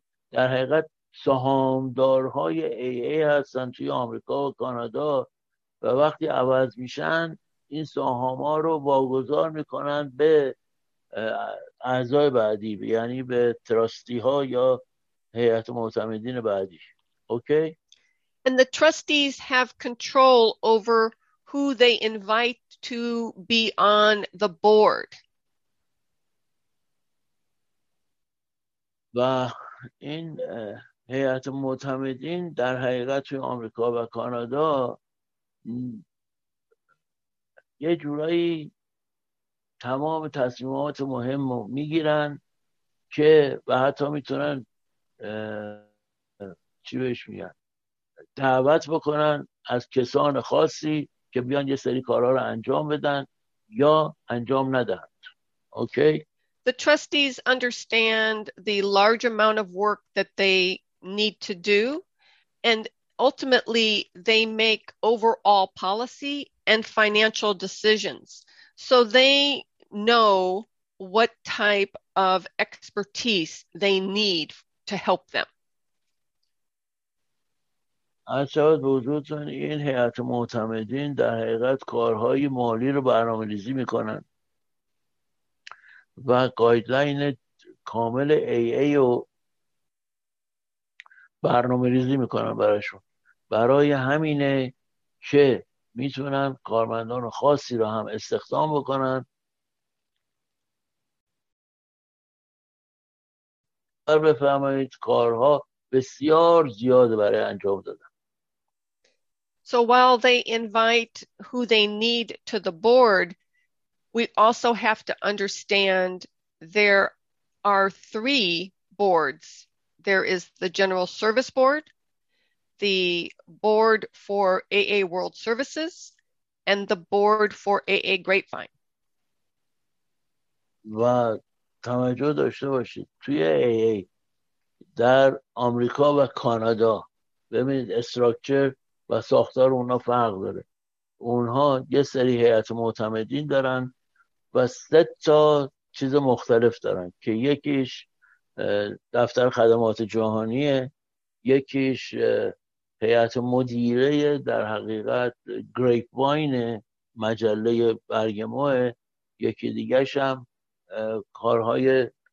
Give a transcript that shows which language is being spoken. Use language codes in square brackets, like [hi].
[fa] در حقیقت سهامدارهای AA هستن توی آمریکا و کانادا و وقتی عوض میشن این سهام ها رو واگذار میکنن به اعضای بعدی، یعنی به تراستی ها یا هیئت معتمدین بعدی. اوکی. [en] And the trustees have control over who they invite to be on the board. [fa] و این هیئت معتمدین در حقیقت توی آمریکا و کانادا یه جورایی تمام تصمیمات مهم رو میگیرن که و حتی میتونن چی بهش میگن دعوت بکنن از کسان خاصی که بیان یه سری کارها رو انجام بدن یا انجام ندن. اوکی. [en] The trustees understand the large amount of work that they need to do, and ultimately they make overall policy and financial decisions. So they know what type of expertise they need to help them. [fa] از شاید بوجودتون این هیئت معتمدین در حقیقت کارهای مالی رو برنامه ریزی میکنن و گایدلاین کامل AA رو برنامه ریزی میکنن براشون. برای همینه که میتونن کارمندان خاصی رو هم استخدام بکنن و بفهمید کارها بسیار زیاد برای انجام دادن. [en] So while they invite who they need to the board, we also have to understand there are three boards. There is the General Service Board, the Board for AA World Services, and the Board for AA Grapevine. [fa] و توجه داشته باشید توی AA در آمریکا و کانادا ببینید استراکچر و ساختار اونها فرق داره. اونها یه سری هیئت معتمدین دارن و سه تا چیز مختلف دارن که یکیش دفتر خدمات جهانیه، یکیش هیئت مدیره در حقیقت گریپ واین مجله برگ ماه، یکی دیگه‌ش هم کارهای